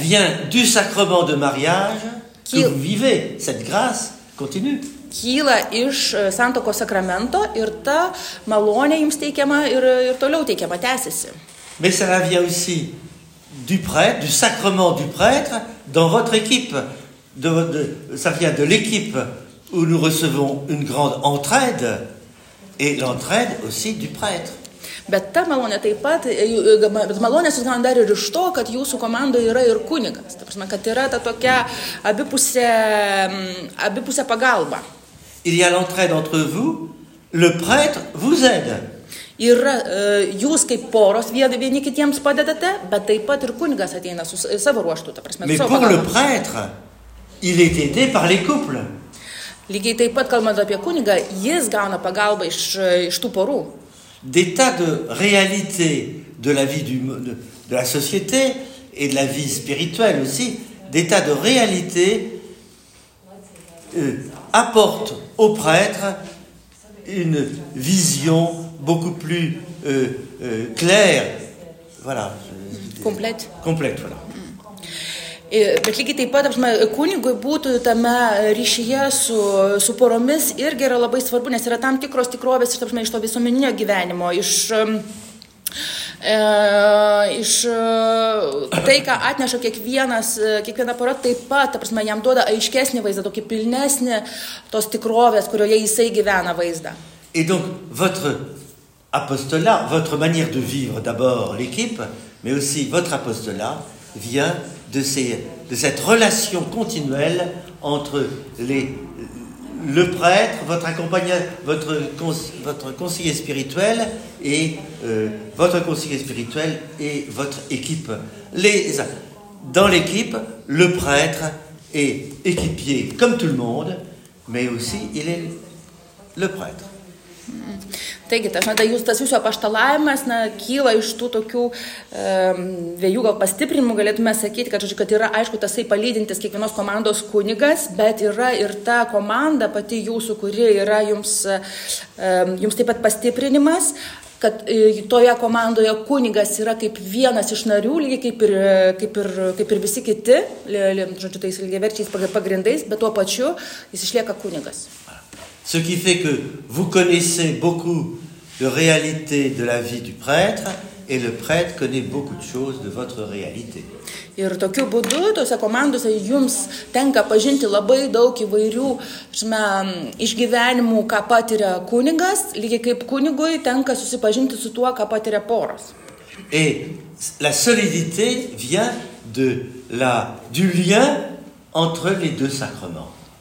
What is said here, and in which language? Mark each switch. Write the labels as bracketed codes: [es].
[fr] vient du sacrement de mariage que vous vivez cette grâce. Continue. [lt] Kyla iš santokos sakramento ir ta malonė jums teikiama ir toliau teikiama, tęsiasi. [fr] Mais ça vient aussi du prêtre, du sacrement du prêtre dans votre équipe de ça vient de l'équipe où nous recevons une grande entraide et l'entraide aussi du prêtre. [lt] Bet ta malonė taip pat, bet malonė susigauna dar ir iš to, kad jūsų komandoje yra ir kunigas. Ta prasme, kad yra ta tokia abipusė pagalba. [fr] Il y a l'entraide entre vous, le prêtre vous aide. [lt] Yra, jūs kaip poros vieni kitiems padedate, bet taip pat ir kunigas ateina su savo ruoštu. Ta prasme, [fr] mais [lt] savo [fr] pour pagalba. Le prêtre, il est aidé par les couples. [lt] Lygiai taip pat, kalbant apie kunigą, jis gauna pagalbą iš tų porų. [fr] Des tas de réalités de la vie de la société et de la vie spirituelle aussi, des tas de réalités apportent au prêtre une vision beaucoup plus claire, voilà. Complète, voilà. [lt] Bet lygiai taip pat, kunigui būtų tame ryšyje su poromis irgi yra labai svarbu, nes yra tam tikros tikrovės iš to visuomeninio gyvenimo, iš Iš tai, ką atneša kiekvienas, kiekviena pora, taip pat, ta prasme, jam duoda aiškesnį vaizdą, tokį pilnesnį tos tikrovės, kurioje jisai gyvena vaizdą. [fr] Et donc, votre apostolat, votre manière de vivre d'abord l'équipe, mais aussi votre apostolat, vient de, ces, de cette relation continuelle entre les, le prêtre, votre accompagnateur, votre, votre conseiller spirituel et votre conseiller spirituel et votre équipe. Les, dans l'équipe, le prêtre est équipier comme tout le monde, mais aussi il est le prêtre. [lt] Taigi, tas jūsų apaštalavimas kyla iš tų tokių vėjų gal pastiprinimų, galėtume sakyti, kad, kad yra aišku tasai palydintis kiekvienos komandos kunigas, bet yra ir ta komanda pati jūsų, kuri yra jums, jums taip pat pastiprinimas, kad toje komandoje kunigas yra kaip vienas iš narių, lygiai kaip ir, kaip ir, kaip ir visi kiti, žodžiu, tais lygiaverčiais pagrindais, bet tuo pačiu jis išlieka kunigas. [fr] Ce qui fait que vous connaissez beaucoup de réalité de la vie du prêtre et le prêtre connaît beaucoup de choses de votre réalité. [lt] Ir tokiu būdu, tose komandose jums tenka pažinti labai daug įvairių išgyvenimų, ką patiria kunigas, lygiai kaip kunigui tenka susipažinti su tuo, ką patiria poros. [fr] Et la solidité vient de la, du lien entre les deux sacrements.